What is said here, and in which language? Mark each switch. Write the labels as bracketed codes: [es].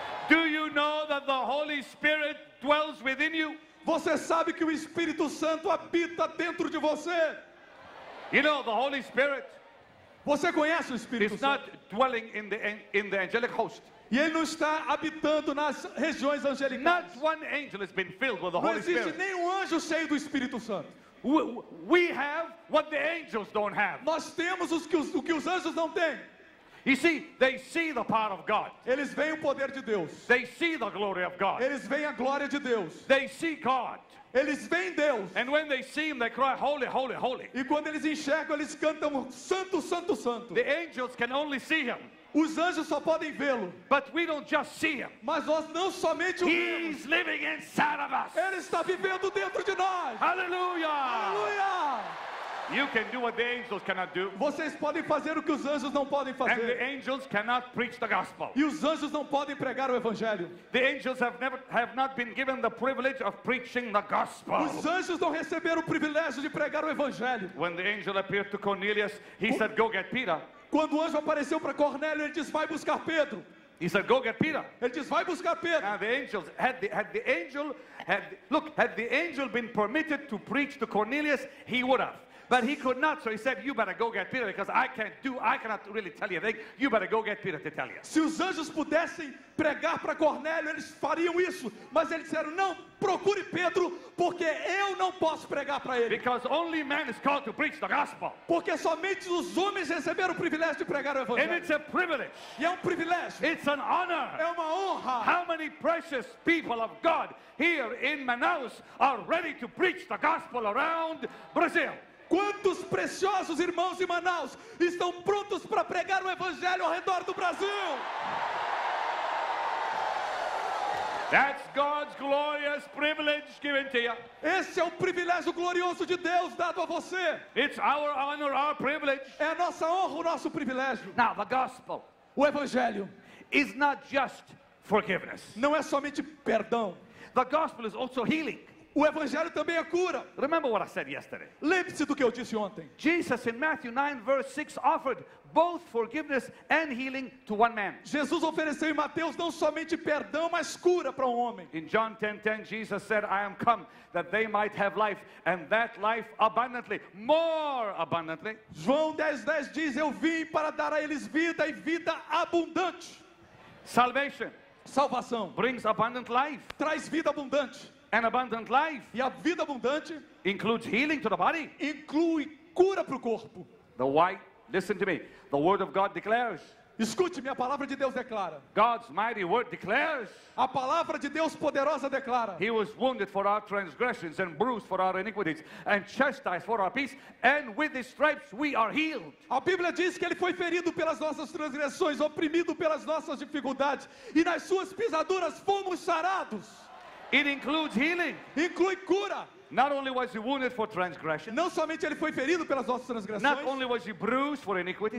[en] Do you know that the Holy Spirit dwells within you? [pt] Você sabe que o Espírito Santo habita dentro de você? [en] You know the Holy Spirit. [pt] Você conhece o Espírito Santo? [en] Is not dwelling in the angelic host. [pt] E ele não está habitando nas regiões angelicais. [en] Not one angel has been filled with the Holy Spirit. [pt] Não existe nenhum anjo cheio do Espírito Santo. [en] We have what the angels don't have. [pt] Nós temos o que os anjos não têm. [en] You see, they see the power of God. [pt] Eles veem o poder de Deus. [en] They see the glory of God. [pt] Eles veem a glória de Deus. [en] They see God. [pt] Eles veem Deus. [en] And when they see him, they cry, holy, holy, holy. [pt] E quando eles enxergam, eles cantam santo, santo, santo. [en] The angels can only see him. [pt] Os anjos só podem vê-lo. [en] But we don't just see him. [pt] Mas nós não somente o vemos. [en] He's living inside of us. [pt] Ele está vivendo dentro de nós. Aleluia! Aleluia! [en] You can do what the angels cannot do. [pt] Vocês podem fazer o que os anjos não podem fazer. [en] And the angels cannot preach the gospel. [pt] E os anjos não podem pregar o evangelho. [en] The angels have not been given the privilege of preaching the gospel. [pt] Os anjos não receberam o privilégio de pregar o evangelho. [en] When the angel appeared to Cornelius, he said, "Go get Peter." [pt] Quando o anjo apareceu para Cornélio, ele disse, "Vai buscar Pedro." [en] He said, "Go get Peter." [pt] Ele disse, "Vai buscar Pedro." [en] And the angels had the angel been permitted to preach to Cornelius, he would have. But he could not, so he said, "You better go get Peter, because I cannot really tell you anything. You better go get Peter to tell you." [pt] Se os anjos pudessem pregar para Cornélio, eles fariam isso. Mas eles disseram, não, procure Pedro, porque eu não posso pregar para ele. [en] Because only man is called to preach the gospel. [pt] Porque somente os homens receberam o privilégio de pregar o evangelho. [en] And it's a privilege. [pt] E é um privilégio. [en] It's an honor. [pt] É uma honra. [en] How many precious people of God here in Manaus are ready to preach the gospel around Brazil? [pt] Quantos preciosos irmãos em Manaus estão prontos para pregar o evangelho ao redor do Brasil? [en] That's God's glorious privilege given to you. [pt] Esse é o privilégio glorioso de Deus dado a você. [en] It's our honor, our privilege. [pt] É a nossa honra, o nosso privilégio. [en] Now, the gospel, [pt] o evangelho, [en] is not just forgiveness. [pt] Não é somente perdão. [en] The gospel is also healing. [pt] O evangelho também é cura. [en] Remember what I said yesterday. [pt] Lembre-se do que eu disse ontem. [en] Jesus in Matthew 9 verse 6 offered both forgiveness and healing to one man. [pt] Jesus ofereceu em Mateus não somente perdão, mas cura para um homem. [en] In John 10:10 Jesus said, "I am come that they might have life and that life abundantly, more abundantly." [pt] João 10:10 diz, "Eu vim para dar a eles vida e vida abundante." [en] Salvation. [pt] Salvação. [en] Brings abundant life. [pt] Traz vida abundante. [en] An abundant life. [pt] E a vida abundante [en] includes healing to the body. [pt] Inclui cura para o corpo. [en] The white, listen to me. The word of God declares. [pt] Escute-me, a palavra de Deus declara. [en] God's mighty word declares. [pt] A palavra de Deus poderosa declara. [en] He was wounded for our transgressions and bruised for our iniquities and chastised for our peace, and with his stripes we are healed. [pt] A Bíblia diz que ele foi ferido pelas nossas transgressões, oprimido pelas nossas dificuldades, e nas suas pisaduras fomos sarados. [en] It includes healing. [pt] Inclui cura. [en] Not only was he wounded for transgression. [pt] Não somente ele foi ferido pelas nossas transgressões. [en] Not only was he bruised for iniquity.